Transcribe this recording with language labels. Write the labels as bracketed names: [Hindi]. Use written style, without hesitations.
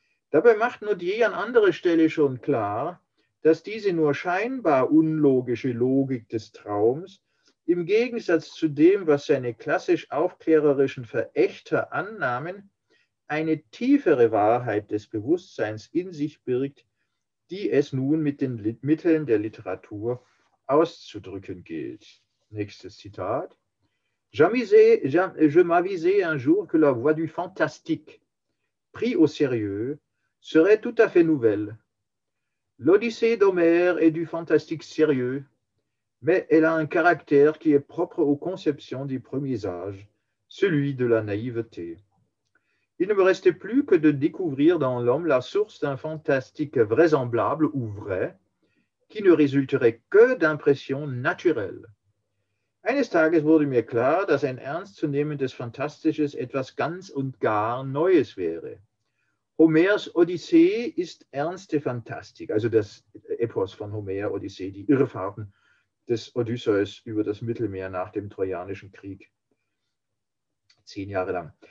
[German] Dabei macht Nodier an anderer Stelle schon klar, dass diese nur scheinbar unlogische Logik des Traums im Gegensatz zu dem, was seine klassisch aufklärerischen Verächter annahmen, eine tiefere Wahrheit des Bewusstseins in sich birgt, die es nun mit den Mitteln der Literatur auszudrücken gilt. Nächstes Zitat. [French] Je m'avisais un jour que la voie du fantastique, pris au sérieux, serait tout à fait nouvelle. L'Odyssée d'Homère est du fantastique sérieux, mais elle a un caractère qui est propre aux conceptions des premiers âges, celui de la naïveté. Il ne me restait plus que de découvrir dans l'homme la source d'un fantastique vraisemblable ou vrai, qui ne résulterait que d'impressions naturelles. [German] Eines Tages wurde mir klar, dass ein ernstzunehmendes Fantastisches etwas ganz und gar Neues wäre. Homers Odyssee ist ernste Fantastik, also das Epos von Homer, Odyssee, die Irrfahrten des Odysseus über das Mittelmeer nach dem Trojanischen Krieg, 10 Jahre lang.